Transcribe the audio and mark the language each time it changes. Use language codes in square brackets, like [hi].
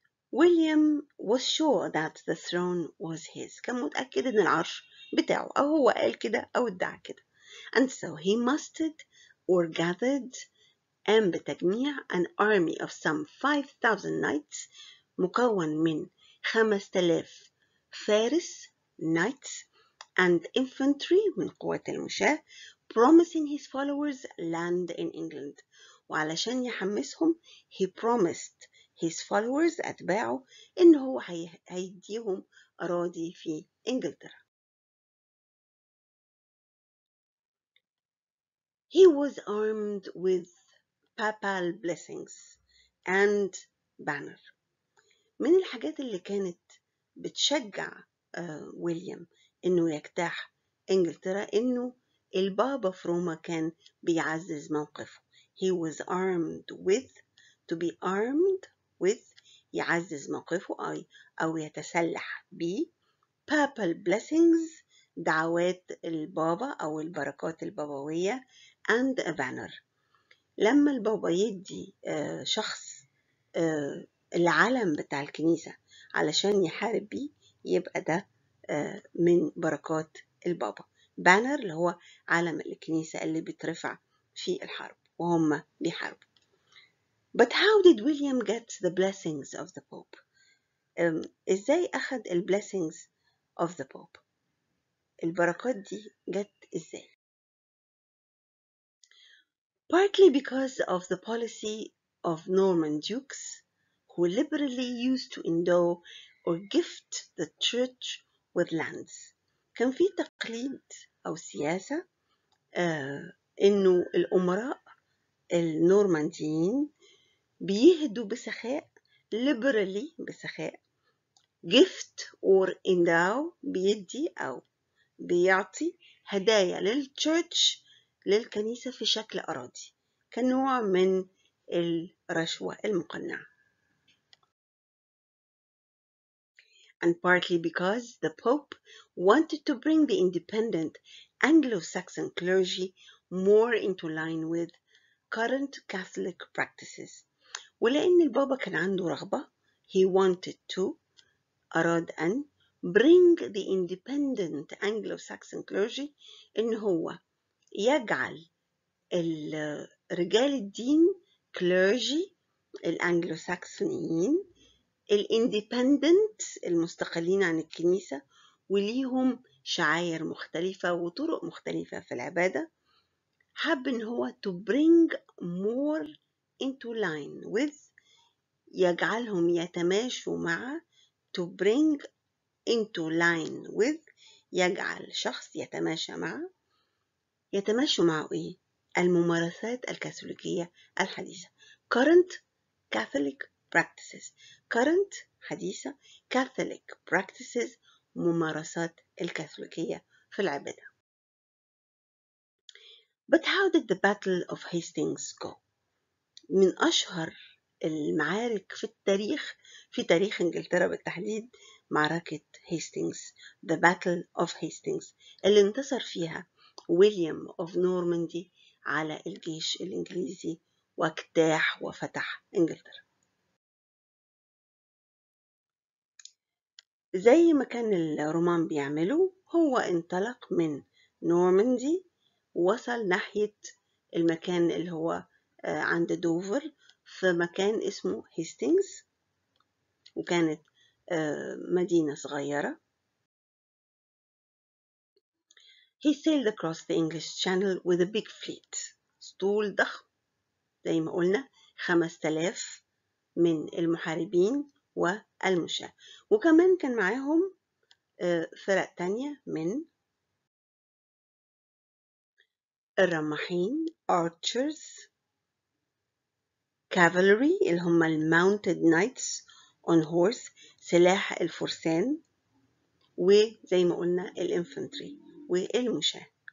[en] William was sure that the throne was his. [ar] كان متأكد إن العرش بتاعه، أو هو قال كده أو ادعى كده. [en] And so he mustered or gathered [ar] قام بتجميع [en] an army of some 5,000 knights [ar] مكون من 5,000 فارس [en] knights and infantry [ar] من قوة المشاة [en] promising his followers land in England. [ar] وعلشان يحمسهم [en] he promised his followers [ar] أتباعه إن هو هيديهم أراضي في إنجلترا. [en] He was armed with papal blessings and banner. [ar] من الحاجات اللي كانت بتشجع ويليام إنه يجتاح إنجلترا إنه البابا في روما كان بيعزز موقفه. [en] He was armed with, to be armed with, [ar] يعزز موقفه أو يتسلح به. [en] Papal blessings, [ar] دعوات البابا أو البركات البابوية. [en] And a banner. [ar] لما البابا يدي شخص العلم بتاع الكنيسة علشان يحارب به يبقى ده من بركات البابا. Banner اللي هو علم الكنيسة اللي بترفع في الحرب. وهم بيحارب. [en] But how did William get the blessings of the Pope? [ar] إزاي أخذ ال [en] blessings of the Pope؟ [ar] البركات دي جت إزاي؟ [en] Partly because of the policy of Norman dukes who liberally used to endow or gift the church with lands. [ar] كان في تقليد أو سياسة إنه الأمراء النورمانديين بيهدوا بسخاء liberally بسخاء [en] gift or endow [ar] بيدي أو بيعطي هدايا للchurch للكنيسة في شكل أراضي كنوع من الرشوة المقنعة. [en] And partly because the Pope wanted to bring the independent Anglo-Saxon clergy more into line with current Catholic practices. [ar] ولأن البابا كان عنده رغبة [en] he wanted to [ar] أراد أن [en] bring the independent Anglo-Saxon clergy [ar] إن هو يجعل الرجال الدين clergy الأنجلو-ساكسونيين الindependent المستقلين عن الكنيسة وليهم شعائر مختلفة وطرق مختلفة في العبادة. حب إن هو [en] to bring more into line with [ar] يجعلهم يتماشوا مع [en] to bring into line with [ar] يجعل شخص يتماشى مع يتماشى مع إيه؟ الممارسات الكاثوليكية الحديثة [en] current catholic practices [ar] current حديثة [en] catholic practices [ar] ممارسات الكاثوليكية في العبادة. [en] But how did the battle of Hastings go? [ar] من أشهر المعارك في التاريخ في تاريخ إنجلترا بالتحديد معركة هيستينجز The Battle of Hastings اللي انتصر فيها William of Normandy على الجيش الإنجليزي واجتاح وفتح إنجلترا. زي ما كان الرومان بيعمله هو انطلق من نورماندي وصل ناحية المكان اللي هو عند دوفر في مكان اسمه هيستينجز وكانت مدينة صغيرة. [en] He sailed across the English Channel with a big fleet. [ar] اسطول ضخم زي ما قلنا 5000 من المحاربين والمشاة وكمان كان معاهم فرق تانية من الرماحين [en] archers cavalry [ar] اللي هم [en] mounted knights on horse [ar] سلاح الفرسان وزي ما قلنا الانفنتري والمشاة.